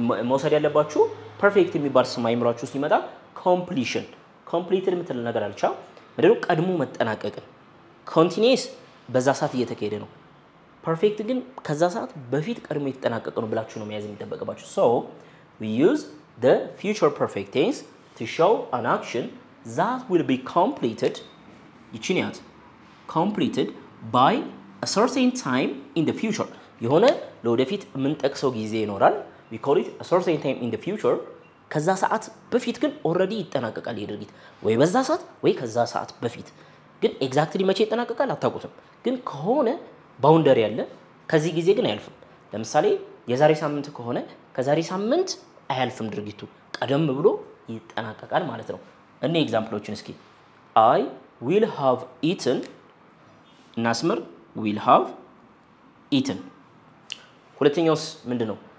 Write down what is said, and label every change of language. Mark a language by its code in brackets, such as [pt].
[am] መውሰድ ያለባችሁ perfect የሚባል ስም አይምራችሁ ሲመጣ completion, completed የምትል ነገር አልቻ ምድሩ ቀድሞ መጠናቀቅ። continuous በዛ ሰዓት እየተካሄደ ነው። perfect ግን ከዛ ሰዓት በፊት ቀድሞ የተጠናቀቀ ነው ብላችሁ ነው የሚያዝ የሚጠበቅባችሁ። [en] so we use the future perfect tense to show an action that will be completed, [am] ይችን ያት [en] completed by a certain time in the future. [am] የሆነ ለወደፊት የምንጠቅሰው ጊዜ ይኖራል። [en] we call it a certain time in the future. [am] ከዛ ሰዓት በፊት ግን already ይጠናቀቃል ይድርግት ወይ በዛ ሰዓት ወይ ከዛ ሰዓት በፊት ግን exactly መቼ ይጠናቀቃል አታውቁትም። ግን ከሆነ ባውንደሪ ያለ ከዚህ ጊዜ ግን አይልፍም። ለምሳሌ የዛሬ ሳምንት ከሆነ ከዛሬ ሳምንት አይልፍም ድርጊቱ፣ ቀደም ብሎ ይጠናቀቃል ማለት ነው። እኔ ኤግዛምፕሎችን እስኪ [en] አይ ዊል ሃቭ ኢትን [am] ናስመር ዊል ሃቭ ኢትን። ሁለተኛውስ ምንድነው?